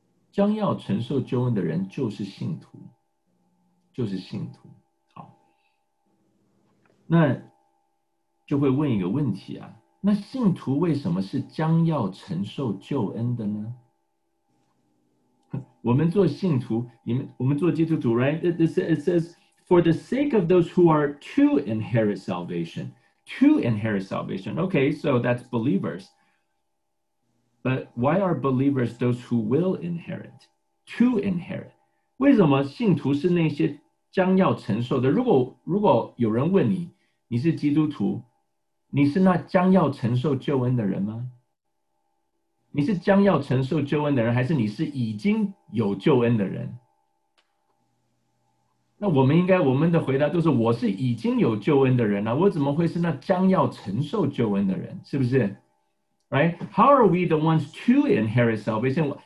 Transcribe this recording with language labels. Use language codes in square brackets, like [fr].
[zh] 将要承受救恩的人就是信徒，就是信徒。好，那就会问一个问题啊，那信徒为什么是将要承受救恩的呢？我们做信徒，我们做基督徒 right? [en] It says, for the sake of those who are to inherit salvation. To inherit salvation. Okay, so that's believers. But why are believers those who will inherit? To inherit. [zh] 为什么信徒是那些将要承受的？如果有人问你，你是基督徒，你是那将要承受救恩的人吗？你是将要承受救恩的人，还是你是已经有救恩的人？那我们应该，我们的回答都是，我是已经有救恩的人啊，我怎么会是那将要承受救恩的人？是不是？Right? [en] How are we the ones to inherit salvation?